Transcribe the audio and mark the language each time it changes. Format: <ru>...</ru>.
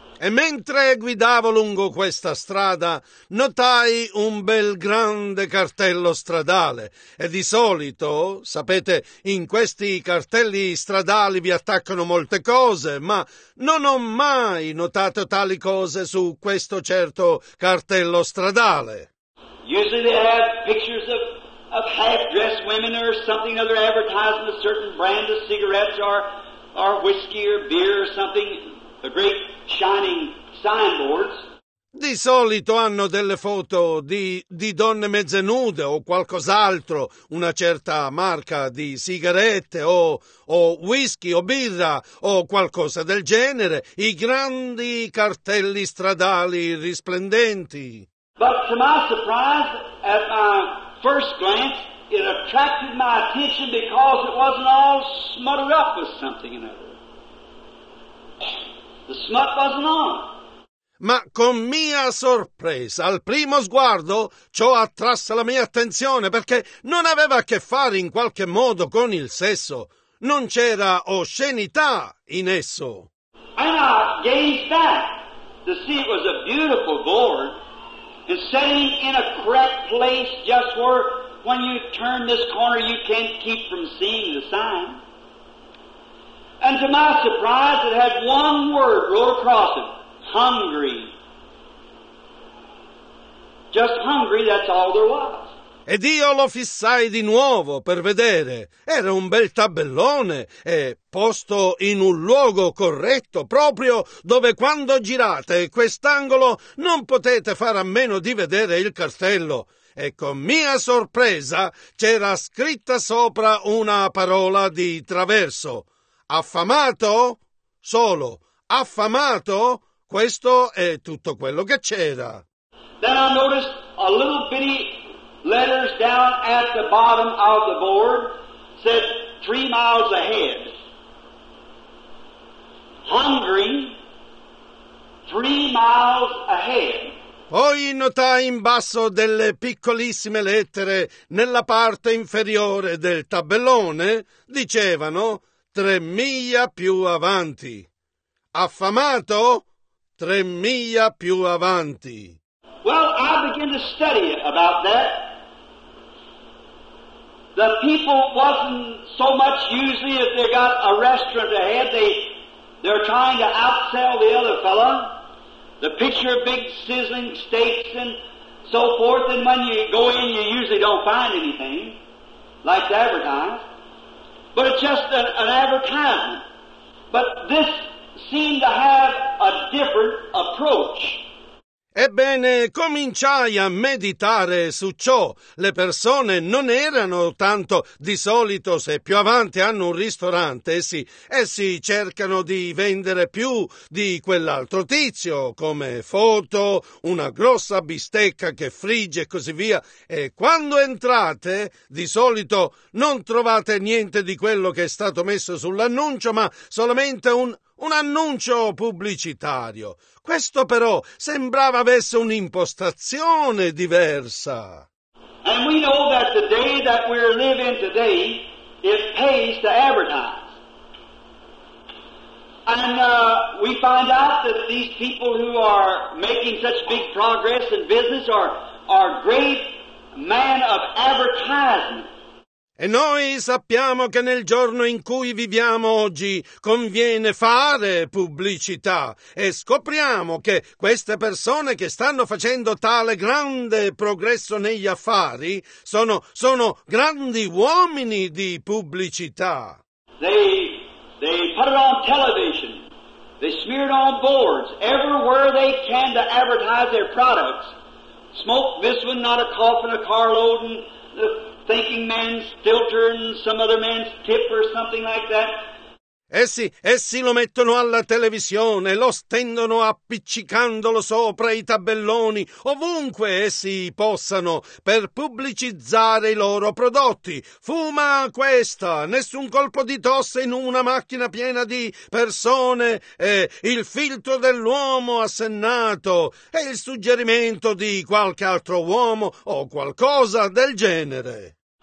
<it>E mentre guidavo lungo questa strada, notai un bel grande cartello stradale. E di solito, sapete, in questi cartelli stradali vi attaccano molte cose, ma non ho mai notato tali cose su questo certo cartello stradale.</it> <en>Usually they have pictures of half-dressed women or something or other advertising a certain brand of cigarettes or whiskey or beer or something. The great shining signboards.</en> <it>Di solito hanno delle foto di donne mezze nude o qualcos'altro, una certa marca di sigarette o whisky o birra o qualcosa del genere, i grandi cartelli stradali risplendenti.</it> <en>But to my surprise, at my first glance, it attracted my attention because it wasn't all smothered up with something in it. The smut wasn't on.</en> <it>Ma con mia sorpresa, al primo sguardo, ciò attrasse la mia attenzione, perché non aveva a che fare in qualche modo con il sesso. Non c'era oscenità in esso.</it> <en>And I gazed back to see it was a beautiful board, and sitting in a correct place, just where when you turn this corner you can't keep from seeing the sign. And to my surprise, it had one word wrote across it, hungry. Just hungry, that's all there was.</en> <it>Ed io lo fissai di nuovo per vedere. Era un bel tabellone e posto in un luogo corretto, proprio dove quando girate quest'angolo non potete fare a meno di vedere il cartello. e con mia sorpresa c'era scritta sopra una parola di traverso. Affamato? Solo. Affamato? Questo è tutto quello che c'era.</it> <en>Then I noticed a little bitty letters down at the bottom of the board said 3 miles ahead. Hungry, 3 miles ahead.</en> <it>Poi notai in basso delle piccolissime lettere nella parte inferiore del tabellone, dicevano 3 miglia più avanti. Affamato, 3 miglia più avanti.</it> <en>Well, I began to study about that. The people wasn't so much usually if they got a restaurant ahead, they're trying to outsell the other fella. The picture of big sizzling steaks and so forth, and when you go in, you usually don't find anything like that advertised. But it's just an advertisement. But this seemed to have a different approach.</en> <it>Ebbene, cominciai a meditare su ciò. Le persone non erano tanto, di solito se più avanti hanno un ristorante, essi cercano di vendere più di quell'altro tizio, come foto, una grossa bistecca che frigge e così via. E quando entrate, di solito non trovate niente di quello che è stato messo sull'annuncio, ma solamente un annuncio pubblicitario. Questo però sembrava avesse un'impostazione diversa.</it> <en>And we know that the day that we live in today, it pays to advertise. And we find out that these people who are making such big progress in business are great men of advertising.</en> <it>E noi sappiamo che nel giorno in cui viviamo oggi conviene fare pubblicità e scopriamo che queste persone che stanno facendo tale grande progresso negli affari sono grandi uomini di pubblicità.</it> <en>They put it on television, they smear it on boards, everywhere they can to advertise their products. Smoke this one, not a cough and a car load and thinking man's filter and some other man's tip or something like that.</en> <it>Essi lo mettono alla televisione, lo stendono appiccicandolo sopra i tabelloni, ovunque essi possano, per pubblicizzare i loro prodotti. Fuma questa, nessun colpo di tosse in una macchina piena di persone, il filtro dell'uomo assennato e il suggerimento di qualche altro uomo o qualcosa del genere.</it>